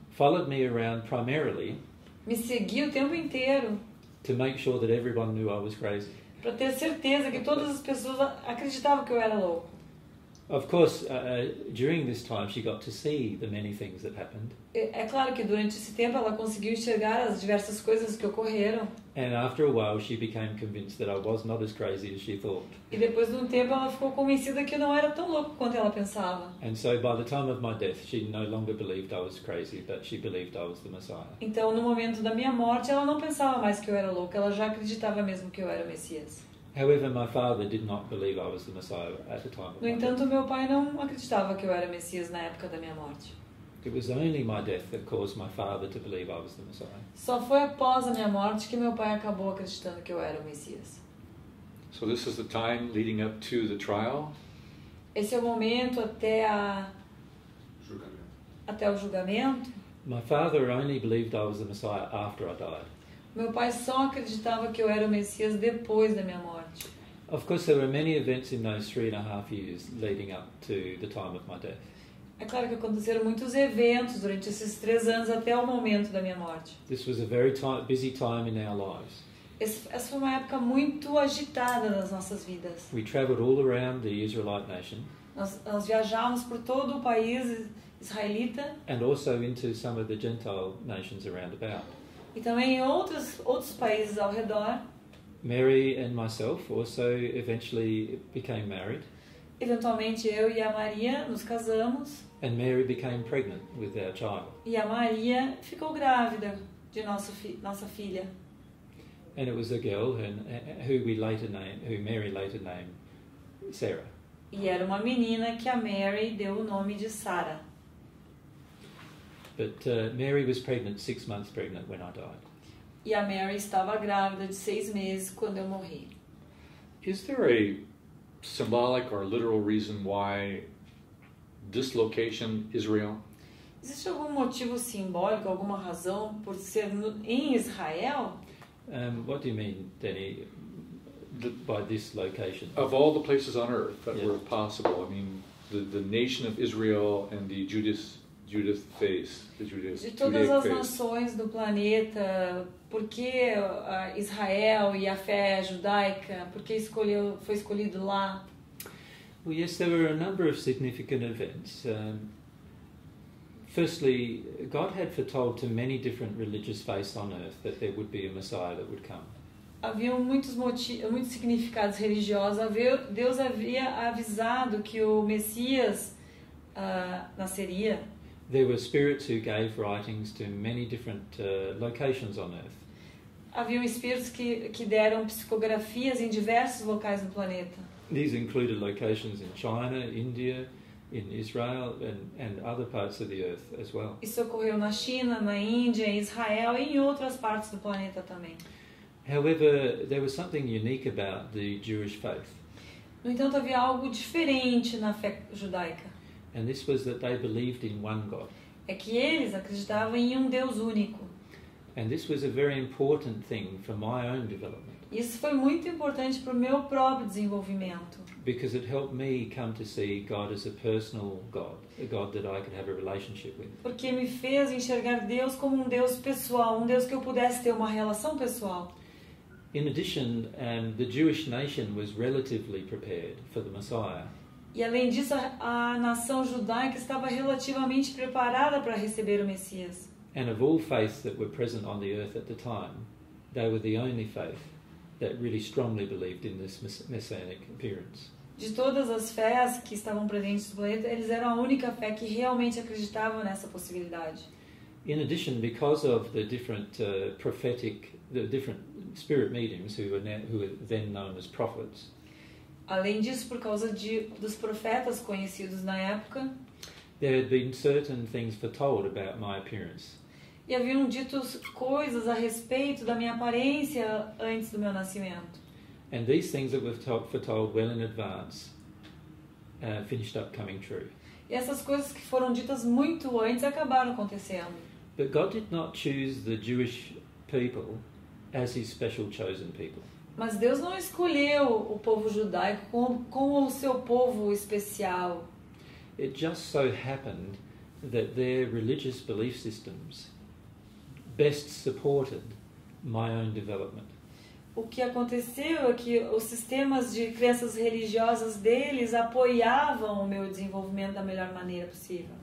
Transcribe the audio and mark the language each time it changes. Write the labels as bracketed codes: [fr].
[en] followed me around primarily, [pt] me seguiu o tempo inteiro, [en] to make sure that everyone knew I was crazy. [pt] Para ter certeza que todas as pessoas acreditavam que eu era louco. [en] Of course, during this time, she got to see the many things that happened. [pt] É claro que durante esse tempo ela conseguiu enxergar as diversas coisas que ocorreram. [en] And after a while, she became convinced that I was not as crazy as she thought. [pt] E depois de tempo, ela ficou convencida que eu não era tão louco quanto ela pensava. [en] And so, by the time of my death, she no longer believed I was crazy, but she believed I was the Messiah. [pt] Então, no momento da minha morte, ela não pensava mais que eu era louco. Ela já acreditava mesmo que eu era o Messias. [en] However, my father did not believe I was the Messiah at the time. [pt] No entanto, meu pai não acreditava que eu era Messias na época da minha morte. [en] It was only my death that caused my father to believe I was the Messiah. [pt] Só foi após a minha morte que meu pai acabou acreditando que eu era o Messias. [en] So this is the time leading up to the trial. [pt] Esse é o momento até a julgamento. Até o julgamento. [en] My father only believed I was the Messiah after I died. [pt] Meu pai só acreditava que eu era o Messias depois da minha morte. [en] Of course, there were many events in those 3.5 years leading up to the time of my death. [pt] É claro que aconteceram muitos eventos durante esses 3 anos até o momento da minha morte. [en] This was a very busy time in our lives. [pt] Essa foi uma época muito agitada nas nossas vidas. [en] We traveled all around the Israelite nation. [pt] Nós viajávamos por todo o país israelita. [en] And also into some of the Gentile nations around about. [pt] E também em outros países ao redor. [en] Mary and myself also eventually became married. [pt] Eventualmente eu e a Maria nos casamos. [en] And Mary became pregnant with our child. [pt] E a Maria ficou grávida de nossa filha. [en] And it was a girl who Mary later named Sarah. [pt] E era uma menina que a Mary deu o nome de Sarah. [en] But Mary was pregnant, 6 months pregnant when I died. [pt] E a Mary estava grávida de 6 meses quando eu morri. [en] Is there a symbolic or literal reason why this location, Israel? [pt] Existe algum motivo simbólico, alguma razão por ser em Israel? [en] What do you mean, Danny, by this location? Of all the places on earth that were possible, I mean, the nation of Israel and the Judaic face. [pt] De todas as nações do planeta, por que Israel e a fé judaica, por que foi escolhido lá? [en] Well, yes, there were a number of significant events. Firstly, God had foretold to many different religious faiths on earth that there would be a Messiah that would come. [pt] Havia muitos significados religiosos. Deus havia avisado que o Messias nasceria. [en] There were spirits who gave writings to many different locations on earth. [pt] Havia espíritos que deram psicografias em diversos locais do planeta. [en] These included locations in China, India, in Israel and other parts of the earth as well. [pt] Isso ocorreu na China, na Índia, em Israel e em outras partes do planeta também. [en] However, there was something unique about the Jewish faith. [pt] No entanto, havia algo diferente na fé judaica. [en] And this was that they believed in one God. [pt] É que eles acreditavam em Deus único. [en] And this was a very important thing for my own development. [pt] Isso foi muito importante para o meu próprio desenvolvimento. [en] Because it helped me come to see God as a personal God, a God that I could have a relationship with. [pt] Porque me fez enxergar Deus como Deus pessoal, Deus que eu pudesse ter uma relação pessoal. [en] In addition, the Jewish nation was relatively prepared for the Messiah. [pt] E além disso, a nação judaica estava relativamente preparada para receber o Messias. [en] And of all faiths that were present on the earth at the time, they were the only faith that really strongly believed in this messianic appearance. [pt] De todas as fés que estavam presentes no planeta, eles eram a única fé que realmente acreditavam nessa possibilidade. [en] In addition, because of the different prophetic, the different spirit mediums who were then known as prophets. [pt] Além disso, por causa dos profetas conhecidos na época, [en] there had been certain things foretold about my appearance. [pt] E haviam dito coisas a respeito da minha aparência antes do meu nascimento. [en] And these things that were foretold well in advance finished up coming true. [pt] E essas coisas que foram ditas muito antes acabaram acontecendo. [en] But God did not choose the Jewish people as his special chosen people. [pt] Mas Deus não escolheu o povo judaico como o seu povo especial. [en] It just so happened that their religious belief systems best supported my own development. [pt] O que aconteceu é que os sistemas de crenças religiosas deles apoiavam o meu desenvolvimento da melhor maneira possível.